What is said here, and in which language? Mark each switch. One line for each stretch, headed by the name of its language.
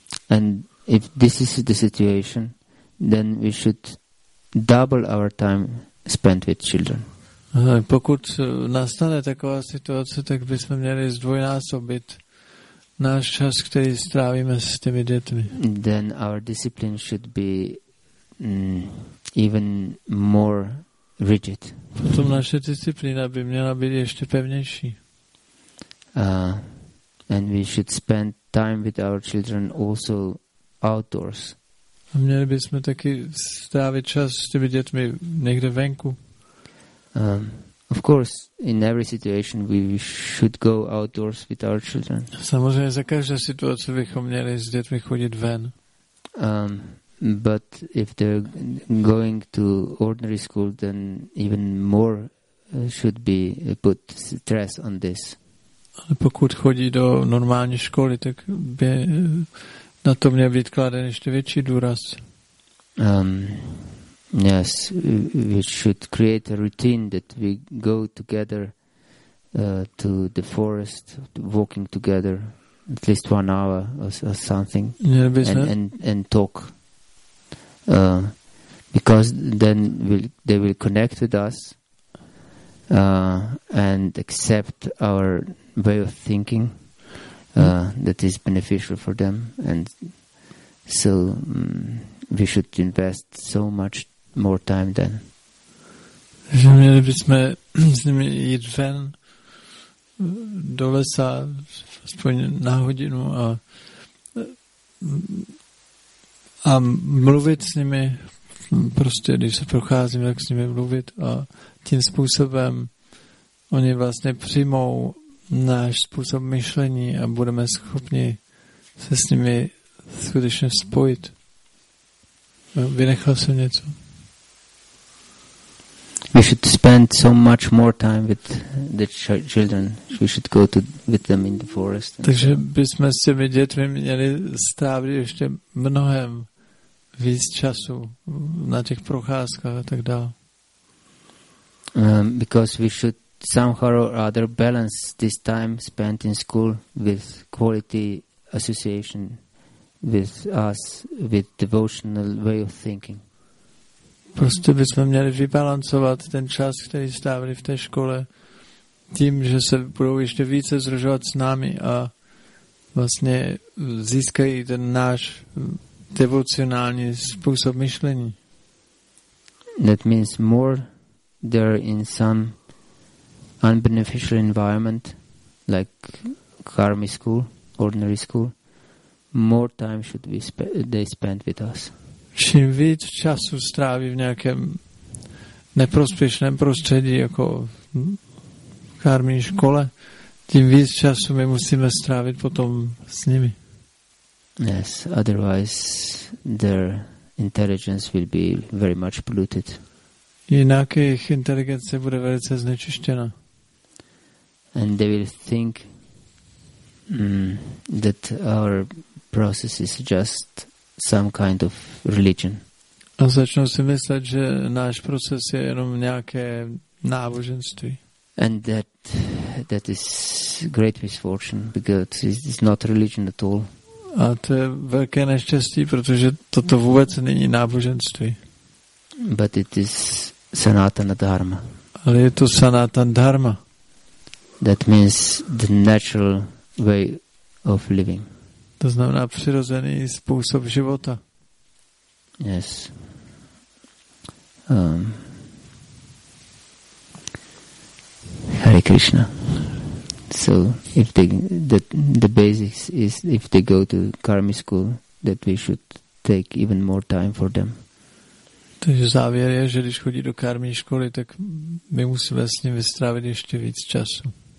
English: And if this is the situation, then we should double our time spent with children.
Czech: Pokud nastane taková situace, tak bychom měli zdvojnásobit náš čas, který strávíme s těmi dětmi.
English: Then our discipline should be even more rigid.
Czech: Potom naše disciplína by měla být ještě pevnější.
English: And we should spend time with our children also outdoors.
Czech: A měli bychom taky strávit čas s těmi dětmi někde venku.
English: Of course, in every situation we should go outdoors with our children.
Czech: Samozřejmě za každou situaci bychom měli s dětmi chodit ven.
English: But if they're going to ordinary school, then even more should be put stress on this.
Czech: Ale pokud chodí do normální školy, tak by na to měl být kladen ještě větší důraz.
English: Yes, we should create a routine that we go together to the forest, walking together at least 1 hour or something, and talk. Because then they will connect with us and accept our way of thinking that is beneficial for them. And so we should invest so much more time then.
Czech: Že měli bychom s nimi jít ven do lesa aspoň na hodinu a mluvit s nimi, prostě když se procházím, jak s nimi mluvit, a tím způsobem oni vlastně přijmou náš způsob myšlení a budeme schopni se s nimi skutečně spojit. Vynechal jsem něco?
English: We should spend so much more time with the children. We should go to with them in the forest.
Czech: Takže bychom s těmi dětmi měli strávit ještě mnohem víc času na těch procházkách a tak dále.
English: Because we should somehow or other balance this time spent in school with quality association with us, with devotional way of thinking.
Czech: Prostě bychom měli vybalancovat ten čas, který strávili v té škole, tím, že se budou ještě více sdružovat s námi a vlastně získají ten náš devocionální způsob myšlení.
English: That means more they're in some unbeneficial environment, like karmic school, ordinary school, more time should we they spend with us.
Czech: Čím víc času stráví v nějakém neprospěšném prostředí, jako v karmí škole, tím víc času my musíme strávit potom s nimi.
English: Yes, otherwise their intelligence will be very much polluted.
Czech: Jinak jejich inteligence bude velice znečištěna.
English: And they will think that our process is just some kind of religion.
Czech: A začnou si myslet, že náš proces je jenom nějaké náboženství.
English: And that is great misfortune because it's not religion at all.
Czech: A to je velké neštěstí, protože toto vůbec není náboženství.
English: But it is Sanatana Dharma.
Czech: Ale je to Sanatana Dharma.
English: That means the natural way of living.
Czech: To znamená přirozený způsob života.
English: Yes. Hare Krishna. So if the basics is if they go to karmi school, that we should take even more time for them.
Czech: Takže závěr je, že když chodí do karmi školy, tak my musíme s ním vystrávit ještě víc času.